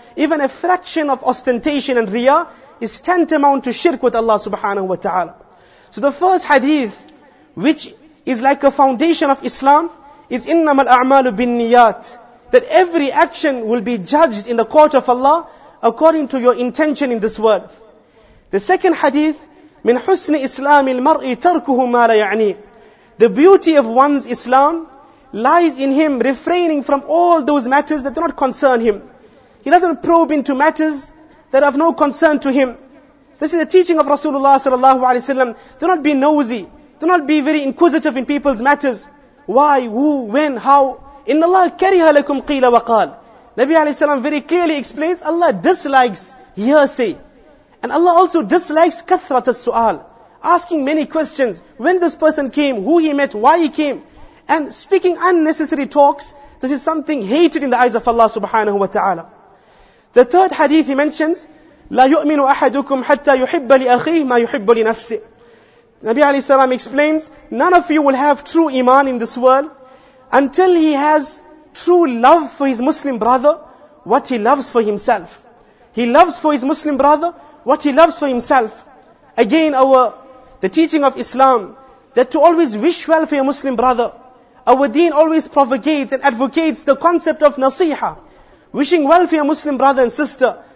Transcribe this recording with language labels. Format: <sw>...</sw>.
<en>Even a fraction of ostentation and riyah is tantamount to shirk with Allah subhanahu wa ta'ala. So the first hadith, which is like a foundation of Islam, is</en> <ar>إِنَّمَا الْأَعْمَالُ بِالنِّيَّاتِ.</ar> <en>That every action will be judged in the court of Allah according to your intention in this world. The second hadith,</en> <ar>مِنْ حُسْنِ إِسْلَامِ الْمَرْءِ تَرْكُهُ مَا لَا يَعْنِي.</ar> <en>The beauty of one's Islam lies in him refraining from all those matters that do not concern him. He doesn't probe into matters that have no concern to him. This is the teaching of Rasulullah sallallahu alaihi wasallam. Do not be nosy. Do not be very inquisitive in people's matters. Why, who, when, how?</en> <ar>إِنَّ اللَّهَ كَرِهَ لَكُمْ قِيلَ وَقَالَ.</ar> <en>Nabi alayhi salam very clearly explains, Allah dislikes hearsay. And Allah also dislikes kathrat as-su'al, asking many questions. When this person came, who he met, why he came, and speaking unnecessary talks, this is something hated in the eyes of Allah subhanahu wa ta'ala. The third hadith he mentions,</en> <ar>لا يؤمن أحدكم حتى يحب لأخيه ما يحب لنفسه.</ar> <en>Nabi alayhi salam explains, none of you will have true iman in this world until he has true love for his Muslim brother, what he loves for himself. He loves for his Muslim brother, what he loves for himself. Again, the teaching of Islam, that to always wish well for your Muslim brother, our deen always propagates and advocates the concept of nasiha, wishing well for your Muslim brother and sister.</en>